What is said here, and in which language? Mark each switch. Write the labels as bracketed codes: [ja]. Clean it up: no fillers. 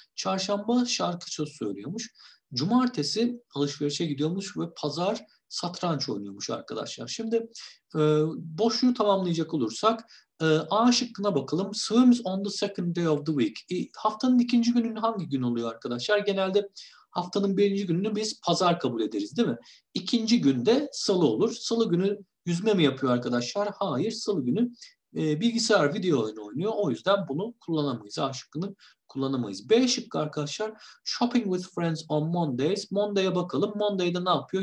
[tr] Çarşamba şarkı söz söylüyormuş. Cumartesi alışverişe gidiyormuş ve pazar satranç oynuyormuş arkadaşlar. Şimdi boşluğu tamamlayacak olursak A şıkkına bakalım. [en] Swims on the second day of the week. [tr] Haftanın ikinci gününün hangi gün oluyor arkadaşlar? Genelde haftanın birinci gününü biz pazar kabul ederiz, değil mi? İkinci günde salı olur. Salı günü yüzme mi yapıyor arkadaşlar? Hayır, salı günü bilgisayar video oyunu oynuyor. O yüzden bunu kullanamayız. A şıkkını kullanamayız. B şıkkı arkadaşlar. [en] Shopping with friends on Mondays. [tr] Monday'a bakalım. Monday'da ne yapıyor?